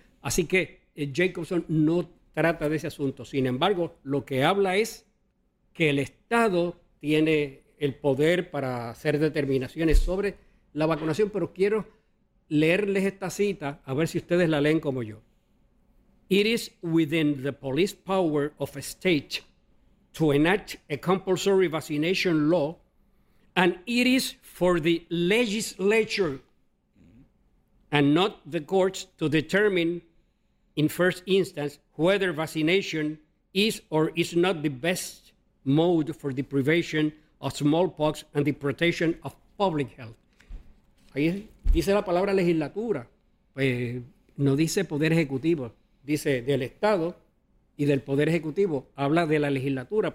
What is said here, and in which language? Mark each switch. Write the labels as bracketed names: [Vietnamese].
[Spanish] Así que Jacobson no trata de ese asunto. Sin embargo, lo que habla es que el Estado tiene el poder para hacer determinaciones sobre la vacunación, pero quiero leerles esta cita a ver si ustedes la leen como yo. [English] It is within the police power of a state to enact a compulsory vaccination law, and it is for the legislature and not the courts to determine in first instance whether vaccination is or is not the best mode for the prevention of smallpox and the protection of public health. [Spanish] Ahí dice la palabra legislatura, pues no dice poder ejecutivo, dice del Estado y del poder ejecutivo, habla de la legislatura.